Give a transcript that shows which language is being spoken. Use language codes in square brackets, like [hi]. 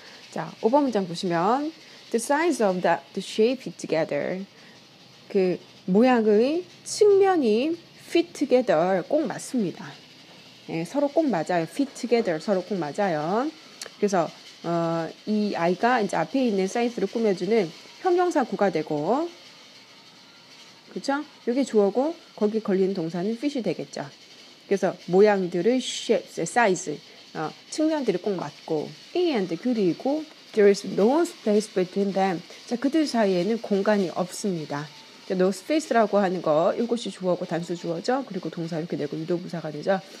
[ko] 자, 5번 문장 보시면 [en] the size of the shape fit together. [ko] 그 모양의 측면이 [en] fit together [ko] 꼭 맞습니다. 예, 서로 꼭 맞아요. [en] Fit together [ko] 서로 꼭 맞아요. 그래서 이 아이가 이제 앞에 있는 사이즈를 꾸며주는 형용사 구가 되고, 그렇죠? 여기 주어고 거기 걸리는 동사는 fit이 되겠죠. 그래서 모양들의 shapes, size, 측면들이 꼭 맞고, and 그리고 [en] there is no space between them. [ko] 자, 그들 사이에는 공간이 없습니다. [en] No space [ko] 라고 하는 거, 이것이 주어고 단수 주어죠. 그리고 동사 이렇게 되고 유도부사가 되죠.